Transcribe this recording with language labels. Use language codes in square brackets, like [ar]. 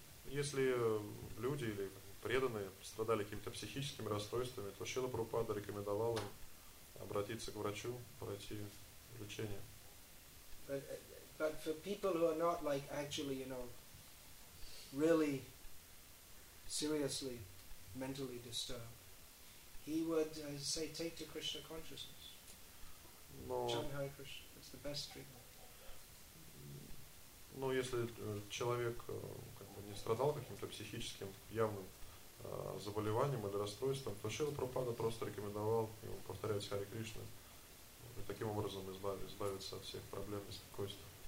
[ru] Если люди или преданные страдали какими-то психическими расстройствами, то Шрила Прабхупада рекомендовал им обратиться к врачу, пройти лечение. [en] But for people who are not like actually, you know, really seriously mentally disturbed, he would say take to Krishna consciousness. Chanthari Krishna, it's the best treatment. [ru] Но если человек как бы не страдал каким-то психическим явным заболеванием или расстройством, то Шрила Прабхупада просто рекомендовал ему повторять Харе Кришну и таким образом избавиться от всех проблем и беспокойств.